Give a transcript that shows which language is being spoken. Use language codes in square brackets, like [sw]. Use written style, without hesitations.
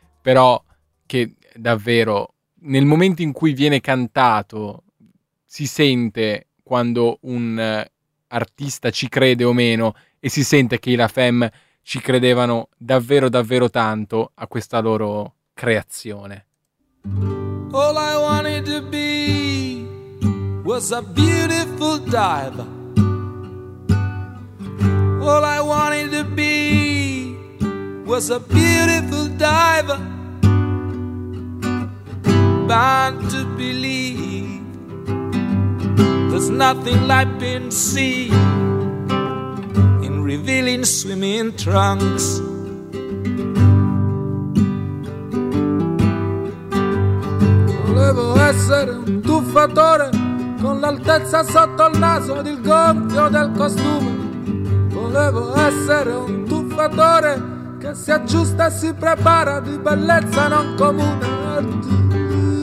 [it] però che davvero nel momento in cui viene cantato si sente quando un artista ci crede o meno, e si sente che i La Femme ci credevano davvero davvero tanto a questa loro creazione. [en] All I wanted to be was a beautiful diver. All I wanted to be was a beautiful diver, bound to believe there's nothing like being seen in revealing swimming trunks. [it] Volevo essere un tuffatore con l'altezza sotto il naso ed il gonfio del costume. Volevo essere un tuffatore che si aggiusta e si prepara di bellezza non comune.